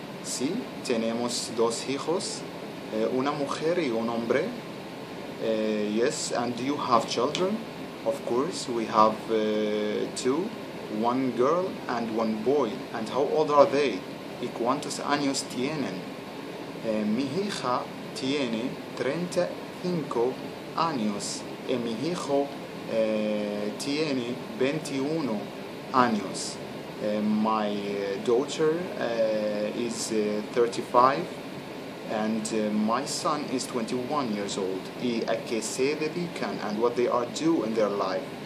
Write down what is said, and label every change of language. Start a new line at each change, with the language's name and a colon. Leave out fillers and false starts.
Spanish: Sí, tenemos dos hijos, una mujer y un hombre.
English: Yes, and do you have children? Of course, we have two, one girl and one boy. And how old are they?
Spanish: ¿Y cuántos años tienen? Mi hija tiene 35 años y mi hijo tiene 21 años.
English: My daughter is 35 and my son is 21 years old.
Spanish: ¿Y a qué se dedican
English: and what they are do in their life?